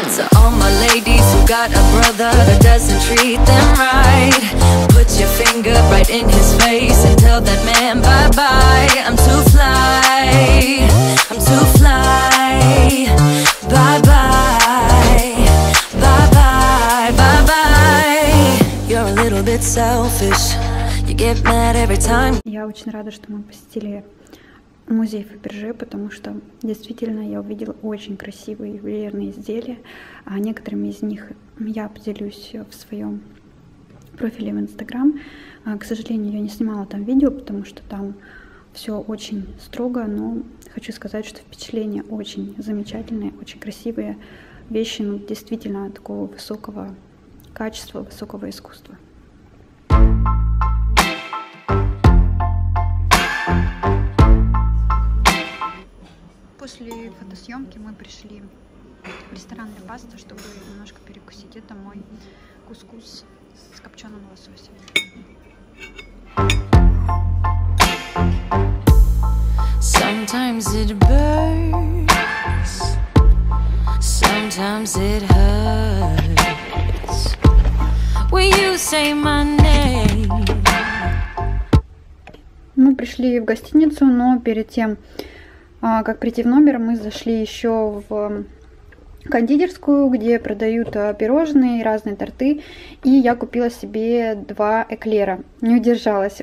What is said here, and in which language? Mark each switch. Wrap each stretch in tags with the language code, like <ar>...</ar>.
<en>To all my ladies who got a brother that doesn't treat them right, put your finger right in his face and tell that man bye-bye. I'm too fly, I'm too fly. Bye-bye, bye-bye, bye-bye. You're a little bit selfish, you get mad every time.</en> <ru>Я очень рада, что мы посетили музей Фаберже, потому что действительно я увидела очень красивые ювелирные изделия, а некоторыми из них я поделюсь в своем профиле в Инстаграм. К сожалению, я не снимала там видео, потому что там все очень строго, но хочу сказать, что впечатления очень замечательные, очень красивые вещи, ну, действительно такого высокого качества, высокого искусства. После фотосъемки мы пришли в ресторан «Ля Паста», чтобы немножко перекусить. Это мой кускус с копченым лососем.</ru> <en>Sometimes it burns, sometimes it hurts. Will you say my name?</en> <ru>Мы пришли в гостиницу, но перед тем, как прийти в номер, мы зашли еще в кондитерскую, где продают пирожные и разные торты. И я купила себе 2 эклера. Не удержалась.</ru>